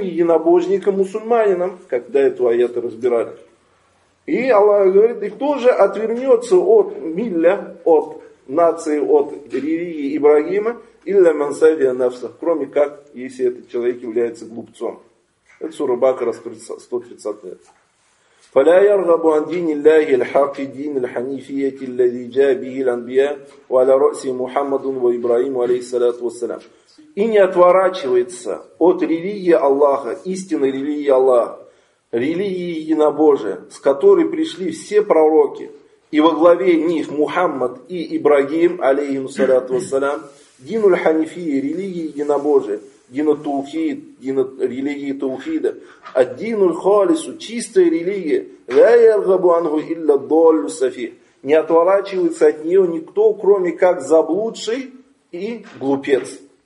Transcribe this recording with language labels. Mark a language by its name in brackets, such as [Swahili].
[Russian] Единобожником, мусульманином, когда эту аяты разбирали. И Аллах говорит, и кто же отвернется от милля, от нации от религии Ибрагима, [Arabic] илля мансавия нафса, [Russian] кроме как, если этот человек является глупцом. Это сура Бакара, 130-й аят. [Arabic] فلا يرغب عن دين الله الحق دين الحنيفية الذي جاء به الأنبياء وعلى رأس محمد وإبراهيم عليه الصلاة والسلام. [Russian] И не отворачивается от религии Аллаха, истинной религии Аллаха, религии единобожия, с которой пришли все пророки, и во главе них Мухаммад и Ибрагим, алейхим саляту вассалям, дину ль-ханифии, религии единобожия, дину таухид, дину религии таухида, а дину ль-халису, чистая религия, [Arabic] ля яргабу ангу илля доллю сафи, [Russian] не отворачивается от нее никто, кроме как заблудший и глупец.